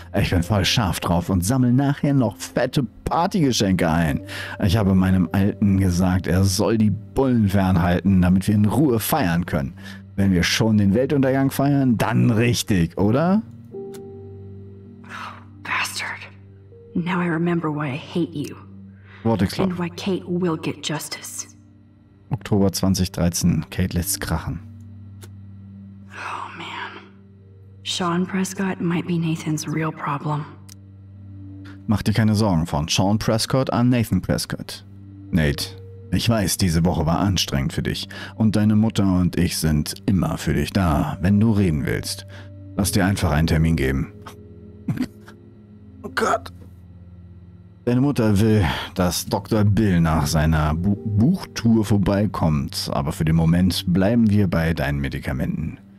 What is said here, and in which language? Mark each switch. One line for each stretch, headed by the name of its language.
German: Ich bin voll scharf drauf und sammle nachher noch fette Partygeschenke ein. Ich habe meinem Alten gesagt, er soll die Bullen fernhalten, damit wir in Ruhe feiern können. Wenn wir schon den Weltuntergang feiern, dann richtig, oder?
English: Bastard. Now I remember why I hate you. Vortex Club. And why Kate will get justice.
German: Oktober 2013. Kate lässt krachen.
English: Oh man. Sean Prescott might be Nathan's real problem.
German: Mach dir keine Sorgen, von Sean Prescott an Nathan Prescott. Nate, ich weiß, diese Woche war anstrengend für dich. Und deine Mutter und ich sind immer für dich da, wenn du reden willst. Lass dir einfach einen Termin geben. Oh Gott. Deine Mutter will, dass Dr. Bill nach seiner Buchtour vorbeikommt, aber für den Moment bleiben wir bei deinen Medikamenten.